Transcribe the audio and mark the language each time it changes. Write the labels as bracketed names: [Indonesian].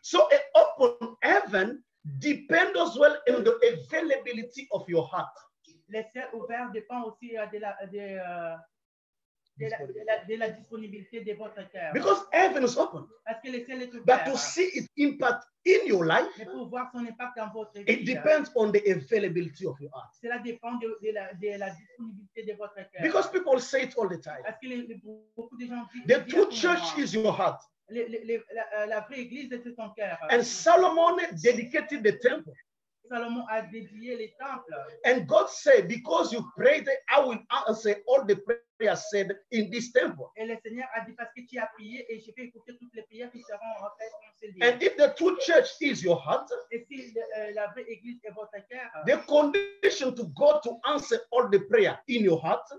[English] So an open heaven depends as well on the availability of your heart. [French] Le ciel ouvert dépend aussi de la disponibilité de votre cœur. [English] Because heaven is open. [French] Parce que le ciel est ouvert. [English] But to see its impact in your life. [French] Mais pour voir son impact dans votre vie. [English] It depends on the availability of your heart. [French] Cela dépend de la disponibilité de votre cœur. [English] Because people say it all the time. [French] Parce que beaucoup de gens disent. [English] The true church is your heart. [French] La vraie église est ton cœur. [English] And Solomon dedicated the temple. [French] Salomon a dédié les temples. [English] And God said, because you prayed, I will answer all the prayers said in this temple. [French] Et le Seigneur a dit, parce que tu as prié, et je vais écouter toutes les prières qui seront en fait dans ce lieu. [English] And if the true church is your heart, [French] et si la vraie église est votre cœur, [English] the condition to God to answer all the prayers in your heart,